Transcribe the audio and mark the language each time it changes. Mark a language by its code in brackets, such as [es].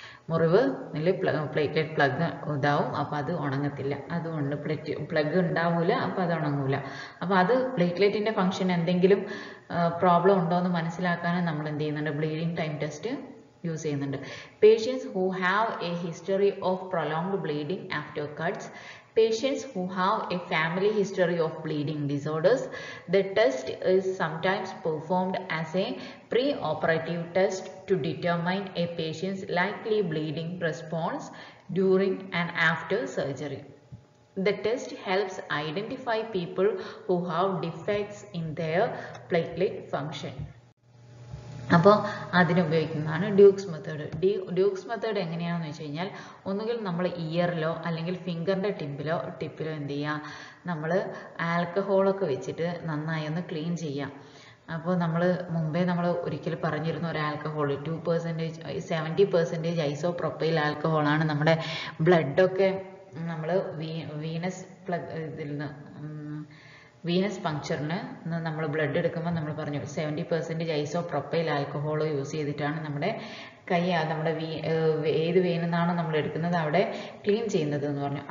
[ml] മുറിവ് നില platelet plug ഇതാവും, അപ്പോൾ അത് ഉണങ്ങത്തില്ല. അതുകൊണ്ട് പ്ലഗ് ഉണ്ടാവില്ല, അപ്പോൾ അത് ഉണങ്ങൂല. അപ്പോൾ അത് പ്ലേറ്റ്ലെറ്റിൻ്റെ ഫംഗ്ഷൻ എന്തെങ്കിലും പ്രോബ്ലം ഉണ്ടോയെന്ന് മനസ്സിലാക്കാനും നമ്മൾ എന്ത് ചെയ്യുന്നുണ്ട്, ബ്ലീഡിങ് ടൈം ടെസ്റ്റ് യൂസ് ചെയ്യുന്നുണ്ട്. [en] Patients who have a history of prolonged bleeding after cuts. Patients who have a family history of bleeding disorders, the test is sometimes performed as a pre-operative test to determine a patient's likely bleeding response during and after surgery. The test helps identify people who have defects in their platelet function. [ml] അപ്പോൾ അതിനുപയോഗിക്കുന്നതാണ് duke's method. Duke's method എങ്ങനെയാണെന്ന് വെച്ച് കഴിഞ്ഞാൽ, ഒന്നുകിൽ നമ്മൾ ഇയറിലോ അല്ലെങ്കിൽ ഫിംഗറിൻ്റെ ടിപ്പിലോ ടിപ്പിലോ എന്ത് ചെയ്യുക, നമ്മൾ ആൽക്കഹോളൊക്കെ വെച്ചിട്ട് നന്നായി ഒന്ന് ക്ലീൻ ചെയ്യാം. അപ്പോൾ നമ്മൾ മുമ്പേ നമ്മൾ ഒരിക്കൽ പറഞ്ഞിരുന്നു, ഒരു ആൽക്കഹോൾ 70% ഐസോ പ്രൊപ്പൈൽ ആൽക്കഹോളാണ് നമ്മുടെ ബ്ലഡൊക്കെ നമ്മൾ വീനസ് പ്ലഗ് ഇതിൽ നിന്ന് വീനസ് പങ്ക്ചറിന് നമ്മൾ ബ്ലഡ് എടുക്കുമ്പോൾ നമ്മൾ പറഞ്ഞു 70% ഐസോ പ്രൊപ്പൈൽ ആൽക്കഹോൾ യൂസ് ചെയ്തിട്ടാണ് നമ്മുടെ കൈ നമ്മുടെ ഏത് വീനിൽ നിന്നാണോ നമ്മൾ എടുക്കുന്നത് അവിടെ ക്ലീൻ ചെയ്യുന്നത് എന്ന് പറഞ്ഞു.